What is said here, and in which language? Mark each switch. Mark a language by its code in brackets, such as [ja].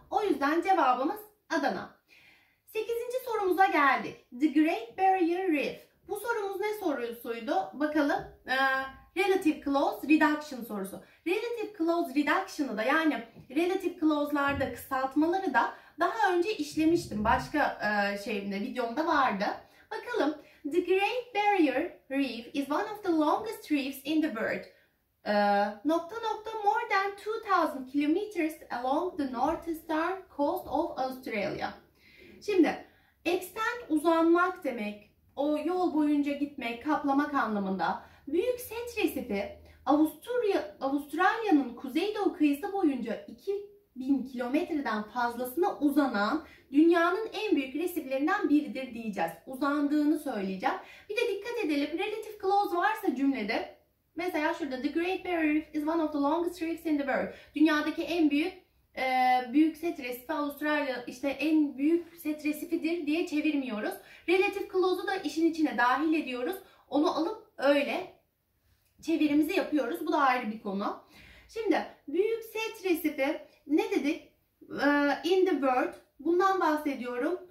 [tr] O yüzden cevabımız Adana. 8. sorumuza geldik. The Great Barrier Reef. Bu sorumuz ne sorusuydu? Bakalım. Relative clause reduction sorusu. Relative clause reduction'ı da, yani relative clause'larda kısaltmaları da daha önce işlemiştim. Başka şeyimde, videomda vardı. Bakalım. [en] The Great Barrier Reef is one of the longest reefs in the world. More than 2000 kilometers along the northeastern coast of Australia. [tr] Şimdi extend uzanmak demek, o yol boyunca gitmek, kaplamak anlamında. Büyük set resifi Avustralya'nın kuzeydoğu kıyısı boyunca 2000 kilometreden fazlasına uzanan dünyanın en büyük resiflerinden biridir diyeceğiz. Uzandığını söyleyeceğim. Bir de dikkat edelim, relative clause varsa cümlede. [en] Mesela şurada The Great Barrier Reef is one of the longest reefs in the world. [tr] Dünyadaki en büyük büyük set resifi, Avustralya işte en büyük set resifidir diye çevirmiyoruz. Relative clause'u da işin içine dahil ediyoruz. Onu alıp öyle çevirimizi yapıyoruz. Bu da ayrı bir konu. Şimdi büyük set resifi ne dedik? [en] In the world, [tr] bundan bahsediyorum.